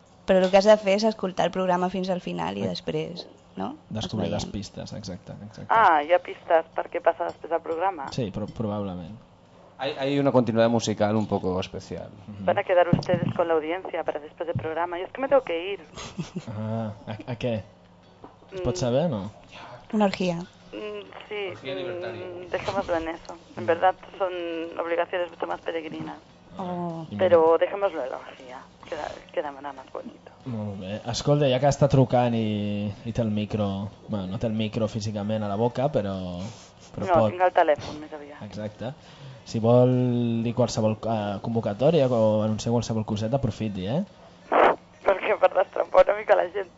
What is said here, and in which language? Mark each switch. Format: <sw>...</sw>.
<ca>Però el que has de fer és escoltar el programa fins al final i després, no? Descobrir les pistes, exacte. Ah, hi ha pistes per què passa després del programa? Sí, però probablement.</ca> <es>Hay una continuidad musical un poco especial. Van a quedar ustedes con la audiencia para después del programa. Yo es que me tengo que ir. Ah, ¿a qué?</es> <ca>¿Pots saber o no?</ca> <es>Una orgía. Sí, dejémoslo en eso. En verdad son obligaciones mucho más peregrinas. Pero dejémoslo en la orgía. Queda manar más bonito.</es> <ca>Molt bé. Escolta, ja que està trucant i té el micro... Bueno, no té el micro físicament a la boca, però... però no, pot... tinc el telèfon més aviat. Exacte. Si vol dir qualsevol convocatòria o anunciar qualsevol coseta, aprofiti, eh? Perquè per destrampar una mica la gent.</ca>